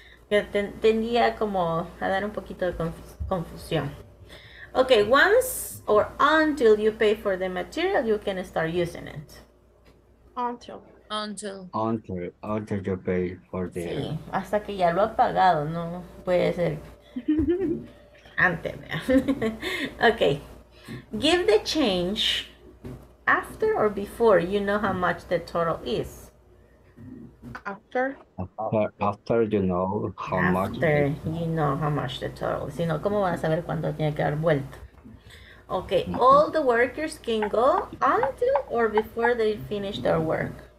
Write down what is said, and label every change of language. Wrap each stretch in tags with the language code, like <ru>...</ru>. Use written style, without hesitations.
<es>Yo tendría como a dar un poquito de confusión.</es> <en>Okay, once or until you pay for the material, you can start using it. Until you pay for the...</en> <es>Sí, hasta que ya lo ha pagado, no puede ser. Antes, ¿verdad? Okay.</es> <en>Give the change after or before you know how much the total is. After you know how much the total.</en> <es>Si no, ¿cómo van a saber cuándo tiene que dar vuelta?</es> <en>Okay, all the workers can go until or before they finish their work.</en>